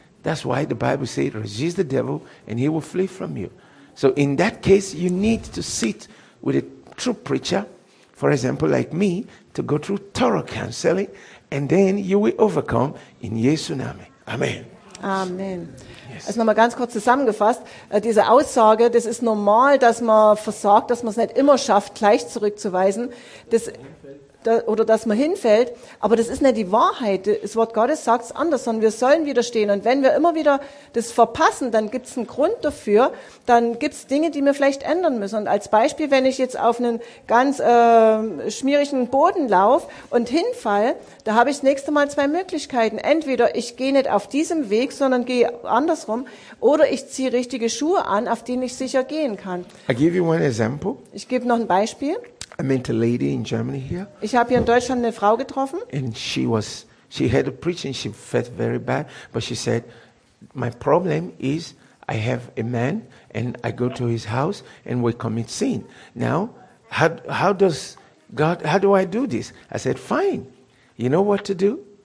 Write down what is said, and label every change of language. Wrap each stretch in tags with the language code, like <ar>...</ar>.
<en>That's why the Bible says, resist the devil and he will flee from you. So in that case, you need to sit with a true preacher, for example, like me, to go through thorough counseling, and then you will overcome in Jesu' name. Amen. Amen. Yes.</en> <de>Also nochmal ganz kurz zusammengefasst, diese Aussage, das ist normal, dass man versagt, dass man es nicht immer schafft, gleich zurückzuweisen, dass man hinfällt, aber das ist nicht die Wahrheit. Das Wort Gottes sagt es anders, sondern wir sollen widerstehen. Und wenn wir immer wieder das verpassen, dann gibt es einen Grund dafür, dann gibt es Dinge, die wir vielleicht ändern müssen. Und als Beispiel, wenn ich jetzt auf einen ganz schmierigen Boden laufe und hinfall, da habe ich das nächste Mal zwei Möglichkeiten. Entweder ich gehe nicht auf diesem Weg, sondern gehe andersrum, oder ich ziehe richtige Schuhe an, auf denen ich sicher gehen kann.</de> <en>I'll give you one example.</en> <de>Ich gebe noch ein Beispiel.</de> <en>I met a lady in Germany here.</en> <de>Ich habe hier in Deutschland eine Frau getroffen.</de> <en>And she had a preaching, she felt very bad, but she said, my problem is I have a man and I go to his house and we commit sin. Now, how do I do this? I said, fine. You know what to do?</en>